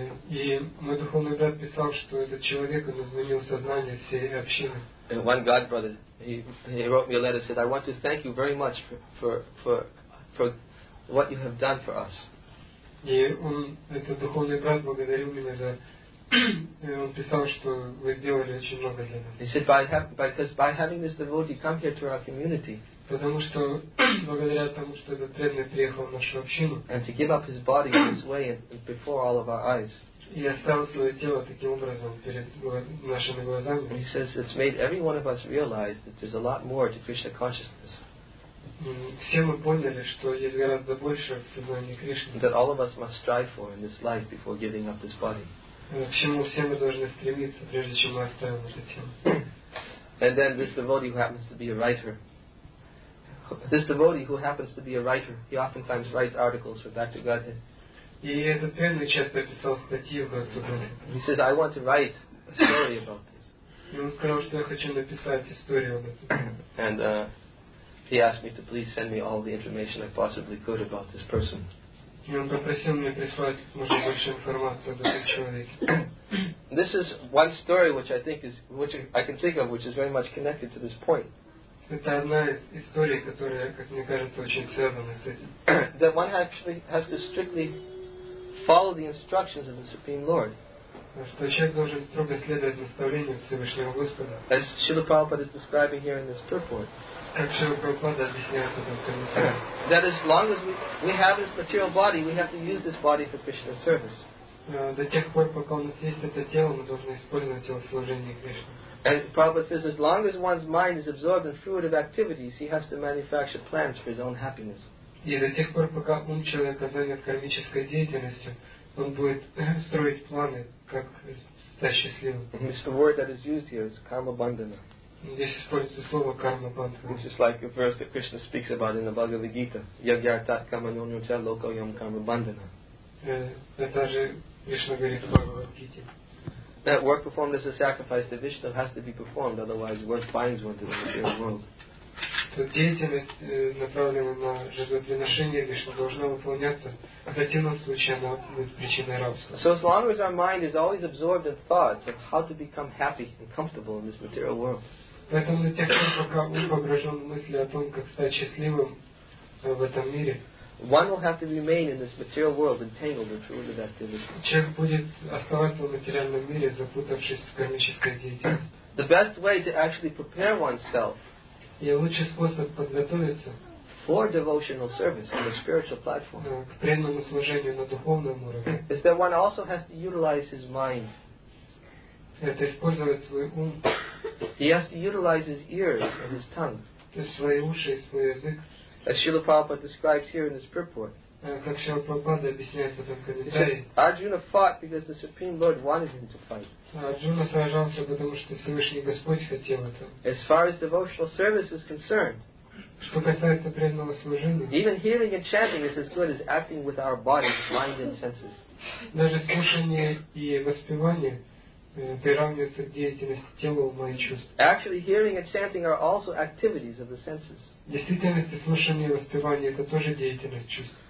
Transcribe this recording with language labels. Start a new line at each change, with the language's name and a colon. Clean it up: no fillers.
Russian: И мой духовный брат писал, что этот человек, он изменил сознание всей общины.
English: And one God brother, he wrote me a letter, said, I want to thank you very much for what you have done for us.
Russian: И он, этот духовный брат, благодарил меня за... Он писал, что вы сделали очень много для нас.
English: He said, by having this devotee come here to our community,
Russian: потому что, благодаря тому, что этот преданный приехал в нашу общину,
English: and to give up his body in this way before all of our eyes,
Russian: и оставил свое тело таким образом перед нашими глазами,
English: he says, it's made every one of us realize that there's a lot more to Krishna consciousness.
Russian: Все мы поняли, что есть гораздо больше в сознании Кришны.
English: That all of us must strive for in this life before giving up this body.
Russian: К чему все мы должны стремиться, прежде чем мы оставим это тело.
English: And then this devotee who happens to be a writer. This devotee who happens to be a writer, he oftentimes writes articles for Bhakti Godhead.
Russian: И этот преданный часто писал статьи в Bhakti Godhead.
English: He says, I want to write a story about this.
Russian: И он сказал, что я хочу написать историю об этом.
English: And he asked me to please send me all the information I possibly could about this person.
Russian: И он попросил меня прислать, может, больше информации об этом человеке.
English: This is one story which I think is, which I can think of, which is very much connected to this point.
Russian: Это одна из историй, которая, как мне кажется, очень связана с этим.
English: That one actually has to strictly follow the instructions of the Supreme Lord.
Russian: Что человек должен строго следовать наставлениям Всевышнего Господа.
English: As Srila Prabhupada is describing here in this purport. That as long as we have this material body, we have to use this body for Krishna's service.
Russian: До тех пор, пока у нас есть это тело, мы должны использовать его в служении Кришне.
English: And Prabhupada says, as long as one's mind is absorbed in fruitive activities, he has to manufacture plans for his own happiness.
Russian: И до тех пор, пока ум человека занят кармической деятельностью, он будет строить планы, как стать счастливым.
English: It's the word that is used here, it's karma bandhana.
Russian: Здесь используется слово карма бандхана.
English: Which is like a verse that Krishna speaks about in the Bhagavad Gita.
Sanskrit: Yagyartat kama nyon yon cha loka yom karma bandhana.
Russian: Это же Кришна говорит в Бхагавад Гите.
English: That work performed as a sacrifice to Vishnu has to be performed, otherwise work binds one to the material world.
Russian: То деятельность, направленная на жертвоприношение Вишну, должна выполняться. В противном случае она будет причиной рабства.
English: So as long as our mind is always absorbed in thoughts of how to become happy and comfortable in this material world.
Russian: Поэтому до тех пор, пока ум погружен в мысли о том, как стать счастливым в этом мире,
English: one will have to remain in this material world entangled in fruitive activities.
Russian: Человек будет оставаться в материальном мире, запутавшись в кармической деятельности.
English: The best way to actually prepare oneself
Russian: и лучший способ подготовиться
English: for devotional service on the spiritual platform
Russian: к преданному служению на духовном уровне
English: is that one also has to utilize his mind.
Russian: Это использовать свой ум.
English: He has to utilize his ears and his tongue.
Russian: То есть свои уши и свой язык.
English: As Srila Prabhupada describes here in this purport.
Russian: Как Srila Prabhupada объясняет в этом комментарии.
English: Arjuna fought because the Supreme Lord wanted him to fight.
Russian: Арджуна сражался, потому что Всевышний Господь хотел это.
English: As far as devotional service is concerned,
Russian: что касается преданного служения,
English: even hearing and chanting is as good as acting with our bodies, mind and senses.
Russian: Даже слушание и воспевание приравнивается к деятельности тела, ума и чувств.
English: Actually, hearing and chanting are also activities of the senses.
Russian: В действительности, слушание и воспевание — это тоже деятельность чувств.